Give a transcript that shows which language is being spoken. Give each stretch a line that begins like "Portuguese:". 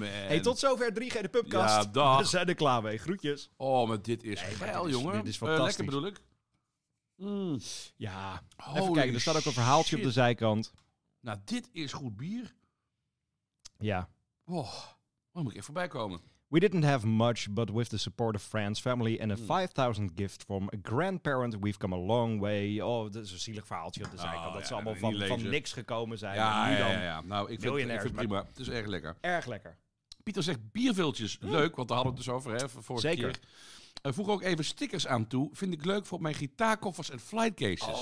Dutch: Hey, tot zover 3G de Pubcast. Ja, dag. We zijn er klaar mee, groetjes. Oh, maar dit is geil, jongen. Dit is fantastisch. Lekker bedoel ik. Mm. Ja, holy, even kijken, er staat ook een verhaaltje op de zijkant. Nou, dit is goed bier. Ja. Oh, dan moet ik even voorbij komen.
English: We didn't have much, but with the support of friends, family and a 5000 gift from a grandparent, we've come a long way.
Dutch: Oh, dat is een zielig verhaaltje op de zijkant. Oh, dat ze allemaal van niks gekomen zijn. Ja, nu dan. Ja. Nou, ik vind het prima. Het is erg lekker. Erg lekker. Pieter zegt bierviltjes. Leuk, want daar hadden we het dus over, hè, vorige zeker keer. Voeg ook even stickers aan toe. Vind ik leuk voor mijn gitaarkoffers en flightcases.